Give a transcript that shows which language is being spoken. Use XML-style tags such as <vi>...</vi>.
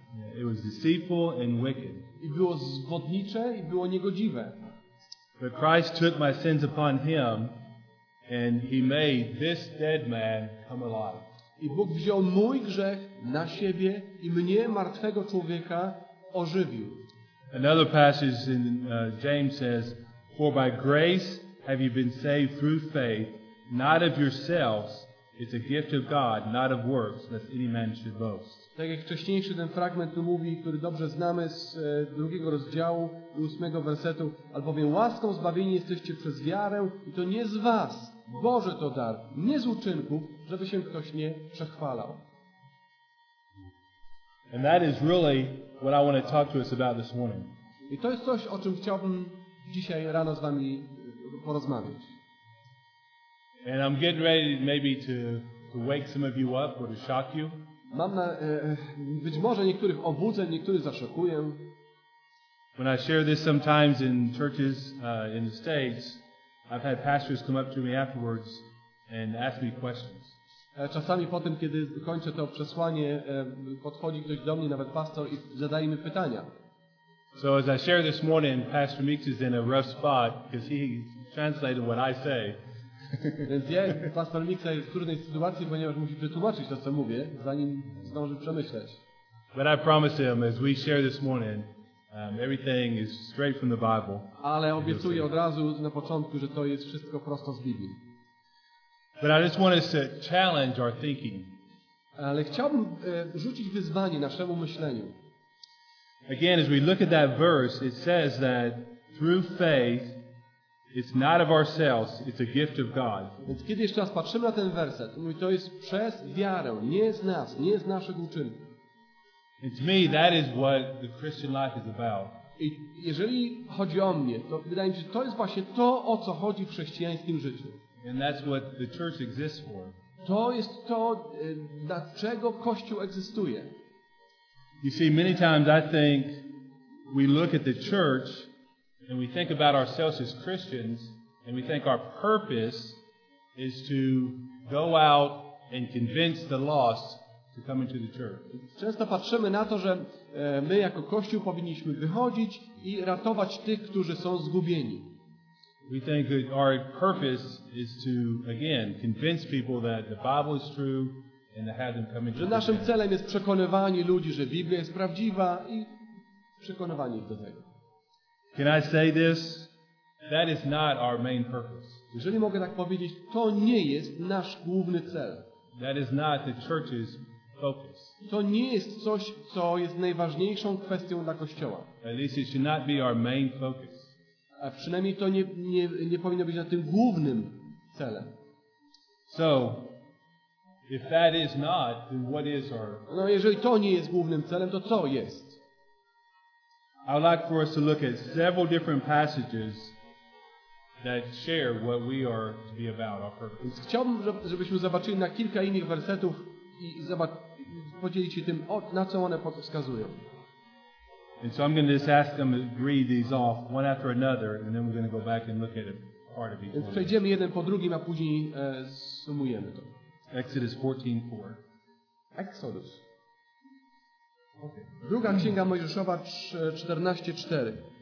<en>Yeah, it was deceitful and wicked.</en> <pl>I było zwodnicze i było niegodziwe.</pl> <en>But Christ took my sins upon him and he made this dead man come alive.</en> <pl>I Bóg wziął mój grzech na siebie i mnie, martwego człowieka, ożywił.</pl> <en>Another passage in James says, "For by grace have you been saved through faith, not of yourselves, it's a gift of God, not of works, lest any man should boast."</en> <pl>Tak jak wcześniejszy ten fragment tu mówi, który dobrze znamy z drugiego rozdziału i ósmego wersetu, albowiem łaską zbawieni jesteście przez wiarę i to nie z was. Boże to dar, nie z uczynków, żeby się ktoś nie przechwalał.</pl> <en>And that is really what I want to talk to us about this morning.</en> <pl>I to jest coś, o czym chciałbym dzisiaj rano z wami porozmawiać.</pl> <en>And I'm getting ready maybe to wake some of you up or to shock you.</en> <pl>Mam na, być może niektórych obudzę, niektórych zaszokuję.</pl> <en>When I share this sometimes in churches in the States, I've had pastors come up to me afterwards and ask me questions.</en> <pl>Czasami potem, kiedy kończę to przesłanie, podchodzi ktoś do mnie, nawet pastor, i zadaje mi pytania.</pl> <en>So as I share this morning, Pastor Meeks is in a rough spot because he translated what I say.</en> <pl>Więc ja, pastor Miksa, jest w trudnej sytuacji, ponieważ musi przetłumaczyć to, co mówię, zanim zdąży przemyśleć.</pl> <en>But I promise him, as we share this morning, everything is straight from the Bible.</en> <pl>Ale obiecuję od razu na początku, że to jest wszystko prosto z Biblii.</pl> <en>But I just want us to challenge our thinking.</en> <pl>Ale chciałbym rzucić wyzwanie naszemu myśleniu.</pl> <en>Again, as we look at that verse, it says that through faith, it's not of ourselves, it's a gift of God.</en> <pl>Więc kiedy jeszcze raz patrzymy na ten werset, mówi, to jest przez wiarę, nie z nas, nie z naszych uczynków.</pl> <en>And to me, that is what the Christian life is about.</en> <pl>I jeżeli chodzi o mnie, to wydaje mi się, że to jest właśnie to, o co chodzi w chrześcijańskim życiu.</pl> <en>And that's what the church exists for.</en> <pl>To jest to, dla czego Kościół egzystuje.</pl> <en>You see, many times I think we look at the church and we think about ourselves as Christians and we think our purpose is to go out and convince the lost to come into the church.</en> <pl>Często patrzymy na to, że my jako Kościół powinniśmy wychodzić i ratować tych, którzy są zgubieni.</pl> <en>We think that our purpose is to, again, convince people that the Bible is true and to have them come into the church.</en> <pl>Naszym celem jest przekonywanie ludzi, że Biblia jest prawdziwa i przekonywanie ich do tego.</pl> <en>Can I say this? That is not our main purpose.</en> <pl>Jeżeli mogę tak powiedzieć, to nie jest nasz główny cel.</pl> <en>That is not the church's focus.</en> <pl>To nie jest coś, co jest najważniejszą kwestią dla Kościoła.</pl> <en>At least it should not be our main focus.</en> <pl>A przynajmniej to nie powinno być na tym głównym celem.</pl> <en>So, if that is not, then what is our...</en> <pl>No, jeżeli to nie jest głównym celem, to co jest?</pl> <en>I'd like for us to look at several different passages that share what we are to be about, our purpose.</en> <pl>Chciałbym, żebyśmy zobaczyli na kilka innych wersetów i podzielić się tym, na co one wskazują.</pl> <en>And so I'm going to just ask them to read these off one after another, and then we're going to go back and look at a part of each one.</en> <pl>Przejdziemy jeden po drugim, a później zsumujemy to.</pl> <en>Exodus 14:4. Exodus. Okay.</en> <pl>Druga księga Mojżeszowa 14:4.</pl>